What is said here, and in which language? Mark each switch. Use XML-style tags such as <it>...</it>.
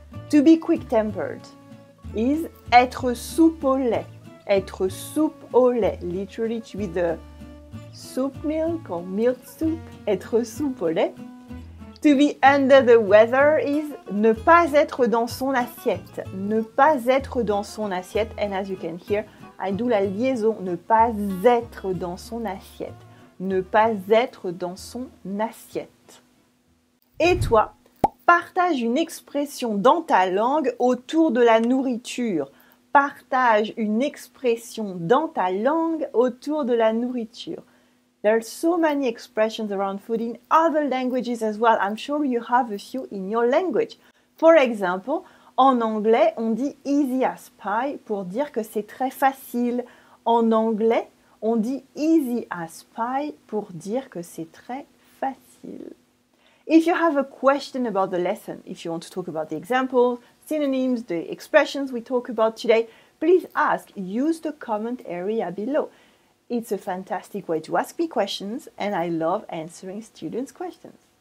<en>To be quick-tempered is</en> <fr>être soupe au lait. Être soupe au lait.</fr> <en>Literally to be the soup milk or milk soup.</en> <fr>Être soupe au lait.</fr> <en>To be under the weather is</en> <fr>ne pas être dans son assiette. Ne pas être dans son assiette.</fr> <en>And as you can hear, I do la liaison.</en> <fr>Ne pas être dans son assiette. Ne pas être dans son assiette. Et toi, partage une expression dans ta langue autour de la nourriture. Partage une expression dans ta langue autour de la nourriture.</fr> <en>There are so many expressions around food in other languages as well. I'm sure you have a few in your language. For example,</en> <fr>en anglais, on dit</fr> <en>easy as pie</en> <fr>pour dire que c'est très facile. En anglais, on dit</fr> <en>easy as pie</en> <fr>pour dire que c'est très facile.</fr> <en>If you have a question about the lesson, if you want to talk about the examples, synonyms, the expressions we talk about today, please ask. Use the comment area below. It's a fantastic way to ask me questions, and I love answering students' questions.</en>